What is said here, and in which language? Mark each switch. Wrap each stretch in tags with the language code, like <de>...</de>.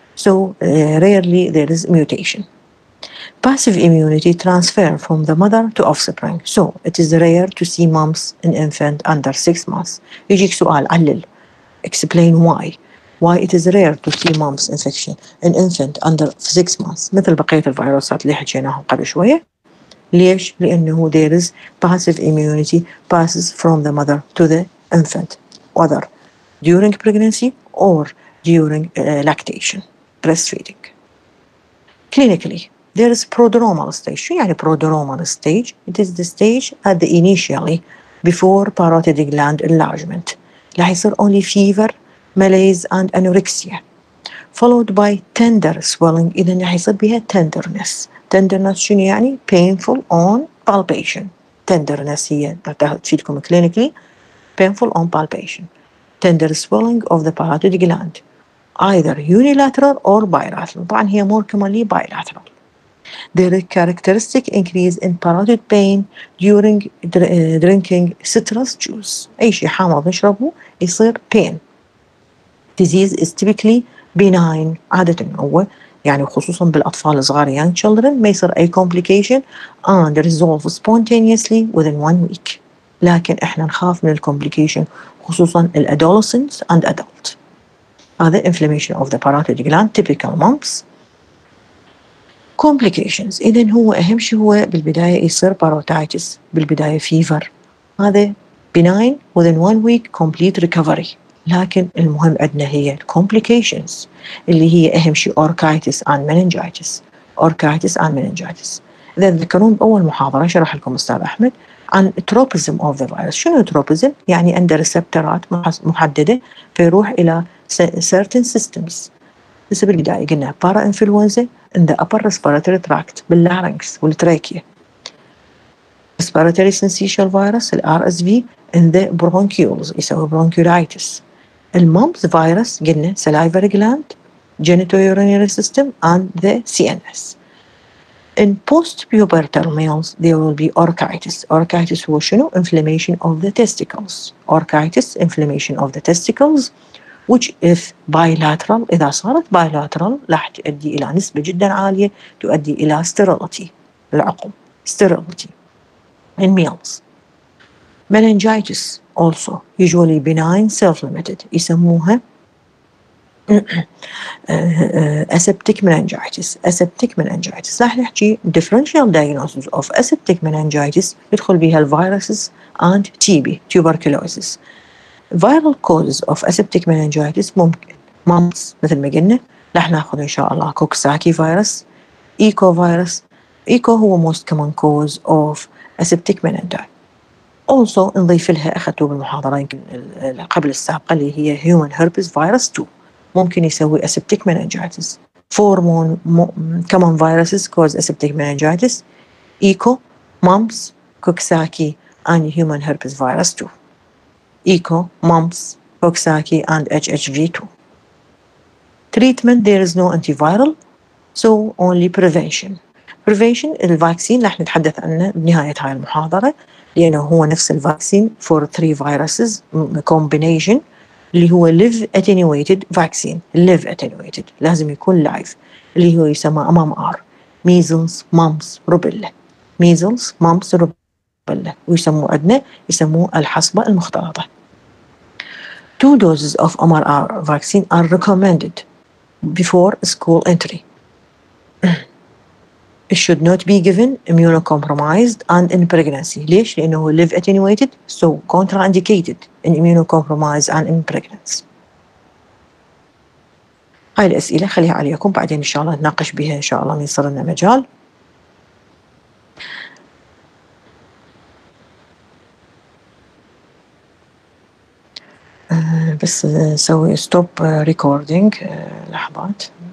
<en>So, rarely there is mutation. Passive immunity transfer from the mother to offspring. So, it is rare to see mumps in infant under 6 months.</en> <ar>يجيك سؤال, علل.</ar> <en>Explain why. Why it is rare to see mumps infection in infant under 6 months.</en> <ar>مثل بقية الفيروسات اللي حكيناها قبل شوية. ليش؟ لأنه</ar> <en>there is passive immunity passes from the mother to the infant. Whether during pregnancy or during lactation, breastfeeding. Clinically, there is prodromal stage.</en> <ar>شو يعني</ar> <en>prodromal stage? It is the stage at the initially before parotid gland enlargement.</en> <ar>لحيصير</ar> <en>only fever, malaise and anorexia. Followed by tender swelling.</en> <ar>إذن لحيصير بها tenderness. Tenderness شنو يعني?</ar> <en>Painful on palpation. Tenderness</en> <ar>هي تفيدكم</ar> <en>clinically. Painful on palpation. Tender swelling of the parotid gland. Either unilateral or bilateral.</en> <ar>طبعا هي</ar> <en>more commonly bilateral. There is characteristic increase in parotid pain during drinking citrus juice.</en> <ar>أي شيء حامض نشربه يصير pain.</ar> <en>Disease is typically benign.</en> <ar>عادة هو يعني خصوصا بالأطفال الصغار</ar> <en>young children</en> <ar>ما يصير أي complication</ar> <en>and resolve spontaneously within 1 week.</en> <ar>لكن إحنا نخاف من complication خصوصا</ar> <en>adolescents and adult.</en> <ar>هذا</ar> <en>inflammation of the parotid gland, typical mumps. Complications.</en> <ar>إذن هو أهم شيء هو بالبداية يصير parotitis, بالبداية fever. هذا</ar> <en>benign, within 1 week complete recovery.</en> <ar>لكن المهم عندنا هي complications اللي هي أهم شيء</ar> <en>orchitis and meningitis. Orchitis and meningitis.</en> <ar>إذا ذكرون بأول محاضرة شرح لكم أستاذ أحمد عن</ar> <en>tropism of the virus.</en> <ar>شنو tropism؟ يعني عند receptorات محددة فيروح إلى</ar> <en>certain systems.</en> <ar>لسه بالبداية قلنا</ar> <en>para influenza in the upper respiratory tract</en> <ar>باللارنكس والتراكية.</ar> <en>Respiratory syncytial virus الـ RSV in the bronchioles</en> <ar>يسوي</ar> <en>bronchiolitis.</en> <ar>المومز فيروس قلنا</ar> <en>salivary gland, genitourinary system and the CNS. In post-pubertal males there will be orchitis. Orchitis</en> <ar>هو شنو?</ar> <en>Inflammation of the testicles. Orchitis, inflammation of the testicles. Which if bilateral,</en> <ar>إذا صارت bilateral, لح تؤدي إلى نسبة جدا عالية, تؤدي إلى sterility, العقم, sterility,</ar> <en>in males. Meningitis, also, usually benign, self-limited,</en> <ar>يسموها</ar> <en>aseptic meningitis, aseptic meningitis.</en> <ar>لح نحكي</ar> <en>differential diagnosis of aseptic meningitis,</en> <ar>يدخل بها</ar> <en>viruses and TB, tuberculosis. Viral causes of aseptic meningitis</en> <ar>ممكن</ar> <en>mumps</en> <ar>مثل ما قلنا لح ناخذ ان شاء الله</ar> <en>Coxsackie virus, Eco virus. Eco</en> <ar>هو</ar> <en>most common cause of aseptic meningitis.</en> <ar>Also نضيف لها اخذته بالمحاضره يمكن قبل السابقه اللي هي human herpes virus 2 ممكن يسوي aseptic meningitis.</ar> <en>4 common viruses cause aseptic meningitis: Eco, mumps, Coxsackie and human herpes virus 2. ECO, mumps, Coxsackie, and HHV2. Treatment, there is no antiviral, so only prevention. Prevention, the vaccine,</en> <ar>لح نتحدث عنه بنهاية هاي المحاضرة, لأنه هو نفس ال</ar> <en>vaccine for 3 viruses, combination,</en> <ar>اللي هو</ar> <en>live attenuated vaccine, live attenuated,</en> <ar>لازم يكون</ar> <en>live,</en> <ar>اللي هو يسمى</ar> <en>MMR, measles, mumps, rubella. Measles, mumps, rubella.</en> <ar>ويسموه عندنا يسموه الحصبة المختلطة.</ar> <en>two doses of MRR vaccine are recommended before school entry. It should not be given immunocompromised and in pregnancy.</en> <ar>ليش؟ لأنه هو</ar> <en>live attenuated, so contraindicated in immunocompromised and in pregnancy.</en> <ar>هاي الأسئلة خليها عليكم بعدين إن شاء الله نناقش بها إن شاء الله من صرنا مجال. بس سوي</ar> <en>stop recording</en> <ar>لحظات.</ar>